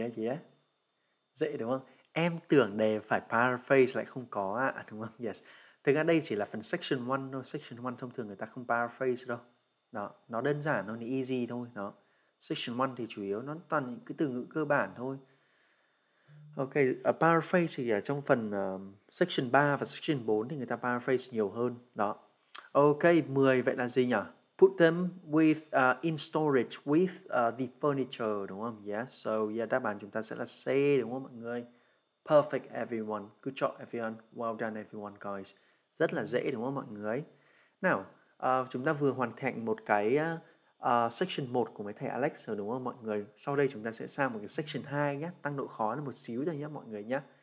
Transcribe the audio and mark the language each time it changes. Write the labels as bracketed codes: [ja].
[vi] Yeah, yeah, dễ đúng không? Em tưởng đề phải paraphrase lại không có ạ, đúng không? Yes, thực ra đây chỉ là phần section 1 thôi, section 1 thông thường người ta không paraphrase đâu. Đó, nó đơn giản thôi, nó easy thôi. Đó. Section 1 thì chủ yếu nó toàn những cái từ ngữ cơ bản thôi. Ok, paraphrase thì ở trong phần section 3 và section 4 thì người ta paraphrase nhiều hơn. Đó. Ok, 10 vậy là gì nhỉ? [en] Put them in storage with the furniture, [vi] đúng không? [en] Yes, so yeah, [vi] đáp án chúng ta sẽ là C, đúng không mọi người? [en] Perfect everyone, good job everyone, well done everyone guys. [vi] Rất là dễ đúng không mọi người? Nào, chúng ta vừa hoàn thành một cái section 1 của mấy thầy Alex rồi đúng không mọi người? Sau đây chúng ta sẽ sang một cái section 2 nhé, tăng độ khó lên một xíu thôi nhé mọi người nhé.